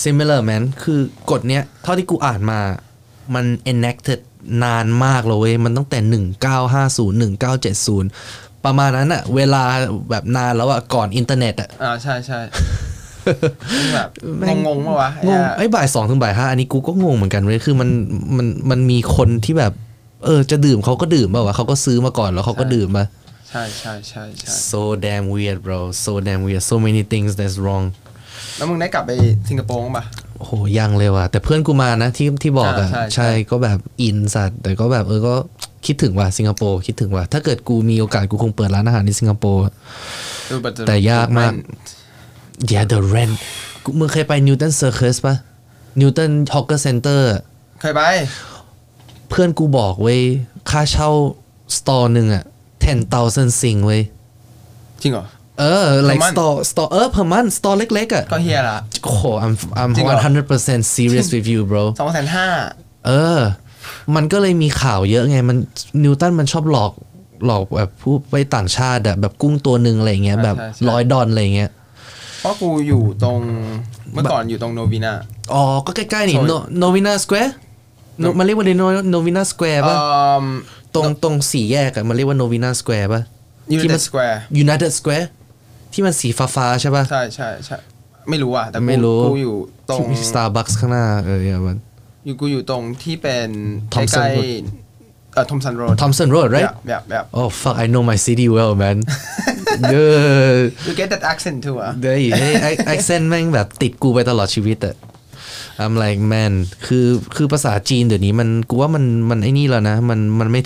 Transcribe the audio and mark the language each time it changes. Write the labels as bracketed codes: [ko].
[en] similar man [th] คือกฎเนี้ยเท่าที่กูอ่านมามัน enacted นานมากเลยเว้ยมันตั้งแต่1950 1970ประมาณนั้นอะเวลาแบบนานแล้วอะก่อนอินเทอร์เน็ตอะ ใช่ใช่แบบงงๆป่ะวะ งงไอ้บ่าย2ถึงบ่าย5อันนี้กูก็งงเหมือนกันเว้ยคือมันมีคนที่แบบเออจะดื่มเขาก็ดื่มป่ะวะเขาก็ซื้อมาก่อนแล้วเขาก็ดื่มมา ใช่ [en] so damn weird bro so damn weird so many things that's wrong [th] แล้วมึงได้กลับไปสิงคโปร์ป่ะ โหยังเลยว่ะแต่เพื่อนกูมานะที่บอกอ่ะใช่ก็แบบอินสัตว์แต่ก็แบบเออก็คิดถึงว่ะสิงคโปร์คิดถึงว่ะถ้าเกิดกูมีโอกาสกูคงเปิดร้านอาหารในสิงคโปร์ แต่ยากมาก [en] yeah the rent [th] มึงเคยไป Newton Circus ป่ะ Newton Hawker Center เคยไป เพื่อนกูบอกเว้ยค่าเช่าสตอร์นึงอ่ะ 10,000 ซิงเว้ย จริงเหรอ เออ like store เออ [en] per month [th] store เล็กๆอ่ะ ก็เฮียละ โอ้โห [en] I'm 100% serious with you bro [th] 250,000 เออมันก็เลยมีข่าวเยอะไงมัน Newton มันชอบหลอกแบบผู้ไปต่างชาติอ่ะแบบกุ้งตัวนึงอะไรเงี้ยแบบ100ดอลอะไรเงี้ย เพราะกูอยู่ตรงเมื่อก่อนอยู่ตรงโนวินา อ๋อก็ใกล้ๆนี่โนวินาสแควร์มันเรียกว่าโนวินาสแควร์ป่ะตรงสี่แยกอะมันเรียกว่าโนวินาสแควร์ป่ะ ยูไนเต็ดสแควร์ยูไนเต็ดสแควร์ที่มันสีฟ้าๆใช่ป่ะ ใช่ไม่รู้อะแต่กูอยู่ตรง สตาร์บัคส์ข้างหน้าเออ มัน กูอยู่ตรงที่เป็น ใกล้ [en] Thompson Road. Thompson Road, right? Yeah. Oh fuck! I know my city well, man. You get that accent too, ah. Hey, accent, man, like stick [th] กูไปตลอดชีวิตอะ [en] I'm like, man, [th] คือภาษาจีนเดี๋ยวนี้มันไอ้นี่แล้วนะมันไม่